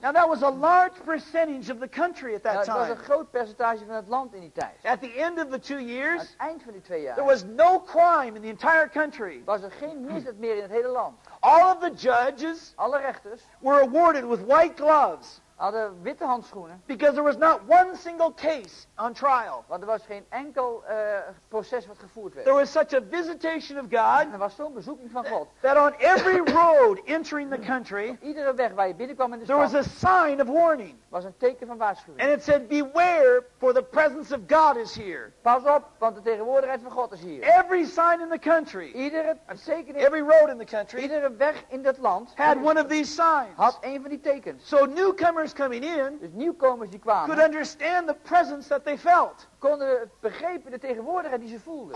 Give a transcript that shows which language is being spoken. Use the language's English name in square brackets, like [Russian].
[English] Now that was a large percentage of the country at that time. [Dutch] Dat was een groot percentage van het land in die tijd. [English] At the end of the 2 years. [Dutch] Aan het eind van die 2 jaar. [English] There was no crime in the entire country. [Dutch] Was er geen misdaad meer in het hele land. [English] All of the judges. [Dutch] Alle rechters. [English] Were awarded with white gloves. [Dutch] Hadden witte handschoenen. [English] Because there was not one single case on trial. [Dutch] Want er was geen enkel proces wat gevoerd werd. [English] There was such a visitation of God. [Dutch] Er was zo'n bezoeking van God. [English] That on every road entering the country. [Dutch] Op iedere weg waar je binnenkwam in de stad. [English] There was a sign of warning. [Dutch] Was een teken van waarschuwing. [English] And it said, beware, for the presence of God is here. [Dutch] Pas op, want de tegenwoordigheid van God is hier. [English] Every sign in the country. Every road in the country. [Dutch] Iedere weg in dat land. [English] Had one of these signs. [Dutch] Had een van die tekens. [English] So newcomers coming in. [Dutch] Dus nieuwkomers die kwamen. [English] Could understand the presence that they felt. [Dutch] Konden begrepen de tegenwoordigheid die ze voelden.